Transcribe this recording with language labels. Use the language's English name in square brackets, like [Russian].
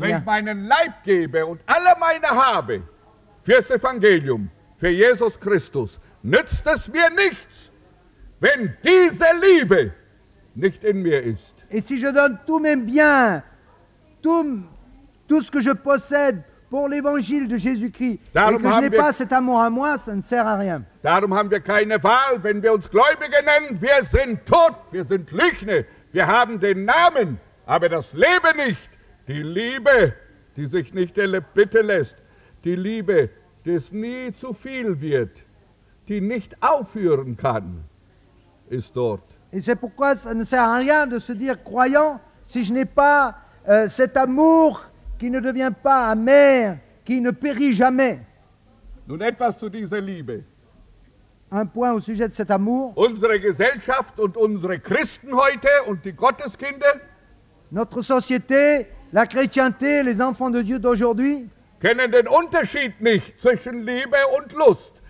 [German] Wenn ich meinen Leib gebe und alle meine habe fürs Evangelium, für Jesus Christus, nützt es mir nichts, wenn diese Liebe nicht in mir ist. [French] Et si je donne tous mes biens, tout ce que je possède pour l'évangile de Jésus-Christ, [German] darum [French] et que je n'ai pas cet amour à moi, ça ne sert à rien. [German] Darum haben wir keine Wahl, wenn wir uns Gläubige nennen, wir sind tot, wir sind Lügner, wir haben den Namen, aber das Leben nicht. Die Liebe, die sich nicht erbitten lässt, die Liebe, die es nie zu viel wird, die nicht aufhören kann, ist dort. [French] Et c'est pourquoi ça ne sert à rien de se dire croyant, si je n'ai pas cet amour qui ne devient pas amer, qui ne périt jamais. [German] Nun etwas zu dieser Liebe. [French] Un point au sujet de cet amour. [German] Unsere Gesellschaft und unsere Christen heute und die Gotteskinder. [French] Notre société, la chrétienté, les enfants de Dieu d'aujourd'hui. [German] kennen den Unterschied nicht zwischen Liebe und Lust.